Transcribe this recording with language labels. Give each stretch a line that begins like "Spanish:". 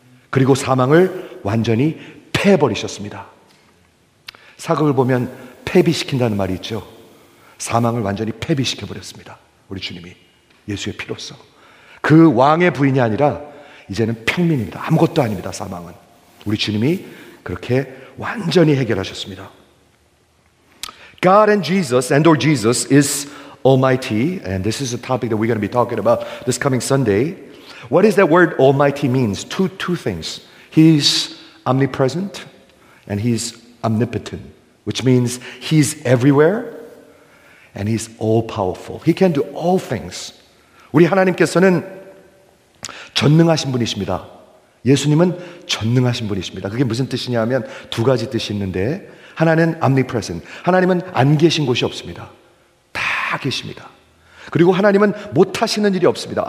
Korean: 그리고 사망을 완전히 패해버리셨습니다. 사극을 보면 패비시킨다는 말이 있죠. 사망을 완전히 패비시켜버렸습니다. 우리 주님이 예수의 피로써. 그 왕의 부인이 아니라 이제는 평민입니다. 아무것도 아닙니다. 사망은. 우리 주님이 그렇게 완전히 해결하셨습니다.
English: God and Jesus and or Jesus is Almighty, and this is a topic that we're going to be talking about this coming Sunday. What is that word Almighty means? Two things. He's omnipresent and he's omnipotent, which means he's everywhere and he's all-powerful. He can do all things.
Korean: 우리 하나님께서는 전능하신 분이십니다. 예수님은 전능하신 분이십니다. 그게 무슨 뜻이냐 하면 두 가지 뜻이 있는데 하나는 omnipresent. 하나님은 안 계신 곳이 없습니다. 계십니다. 그리고 하나님은 못하시는 일이 없습니다.